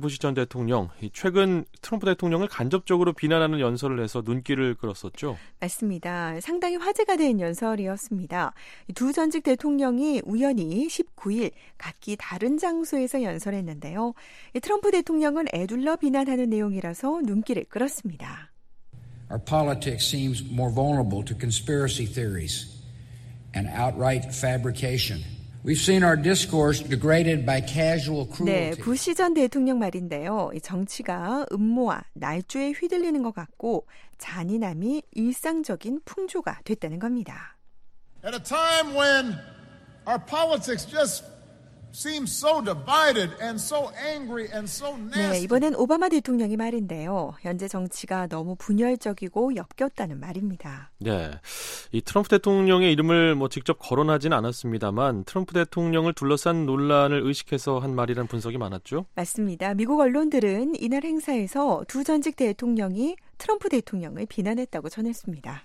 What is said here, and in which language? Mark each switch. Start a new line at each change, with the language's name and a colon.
Korean: 부시 전 대통령, 최근 트럼프 대통령을 간접적으로 비난하는 연설을 해서 눈길을 끌었었죠? 맞습니다. 상당히 화제가 된 연설이었습니다. 두 전직 대통령이 우연히 19일 각기 다른 장소에서 연설했는데요. 트럼프 대통령은 애둘러 비난하는 내용이라서 눈길을 끌었습니다.
English: Our politics seems more vulnerable to conspiracy theories and outright fabrication. We've seen our discourse degraded by casual cruelty.
Korean: 네, 부시 전 대통령 말인데요. 정치가 음모와 날조에 휘둘리는 것 같고 잔인함이 일상적인 풍조가 됐다는 겁니다.
English: At a time when our politics just seems so divided and so angry and so nasty.
Korean: 네, 이번엔 오바마 대통령이 말인데요. 현재 정치가 너무 분열적이고 엮였다는 말입니다. 네, 이 트럼프 대통령의 이름을 뭐 직접 거론하진 않았습니다만 트럼프 대통령을 둘러싼 논란을 의식해서 한 말이라는 분석이 많았죠? 맞습니다. 미국 언론들은 이날 행사에서 두 전직 대통령이 트럼프 대통령을 비난했다고 전했습니다.